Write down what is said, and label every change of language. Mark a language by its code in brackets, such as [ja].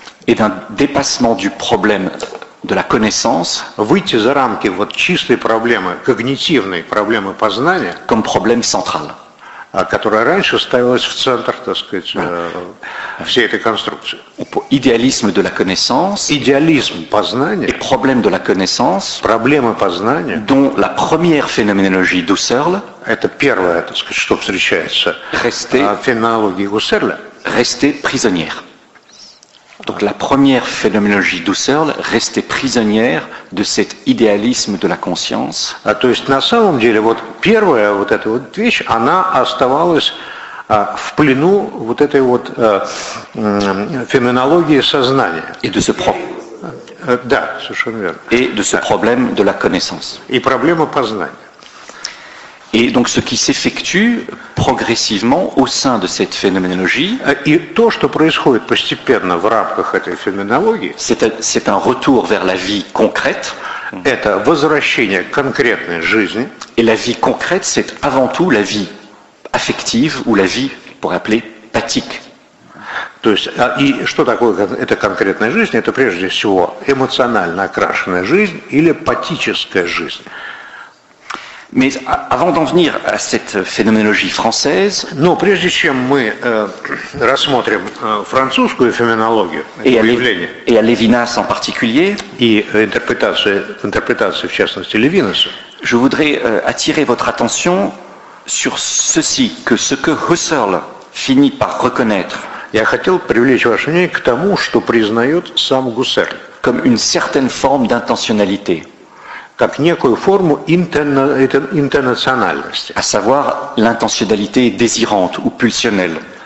[fr] Et d'un dépassement du problème de la connaissance. [ru] Выйти за рамки вот чистой проблемы, когнитивной проблемы познания. [fr] Comme problème central. [ru] Которая раньше ставилась в центр, так сказать, всей этой конструкции. Идеализм [fr] de la connaissance. [ru] Идеализм познания. [fr] Et problème de la connaissance. [ru] Проблемы познания. [fr] Dont la première phénoménologie d'Husserl. [ru] Это первое, так сказать, что встречается. [fr] Restait. [ru] В феноменологии Гуссерля. [fr] Restait prisonnière. Donc la première phénoménologie d'Husserl restait prisonnière de cet idéalisme de la conscience. [ru] То есть на самом деле вот первая вот эта вот вещь, она оставалась в плену вот этой вот феноменологии сознания. [fr] Et de ce [ru] да, совершенно верно. [fr] Et de ce problème de la connaissance. [ru] И проблема познания. [fr] Et donc ce qui s'effectue progressivement au sein de cette phénoménologie, [ru] et то, что происходит постепенно в рамках этой феноменологии, [fr] c'est un retour vers la vie concrète, [ru] это возвращение к конкретной жизни, [fr] et la vie concrète, c'est avant tout la vie affective ou la vie, pour appeler, pathique. [ru] То есть, и что такое эта конкретная жизнь? Это прежде всего эмоционально окрашенная жизнь или патическая жизнь. [fr] Mais avant d'en venir à cette phénoménologie française, [ru] но прежде чем мы рассмотрим французскую феноменологию [fr] et [ru] явление, [fr] à Lévinas en particulier, [ru] и интерпретацию в частности Левинаса, [fr] je voudrais attirer votre attention sur ceci, que ce que Husserl finit par reconnaître, [ru] я хотел привлечь ваше внимание к тому, что признает сам Гуссерль, [fr] comme une certaine forme d'intentionnalité. [ru] Как некую форму интернациональности. [fr] À savoir l'intentionnalité désirante ou pulsionnelle.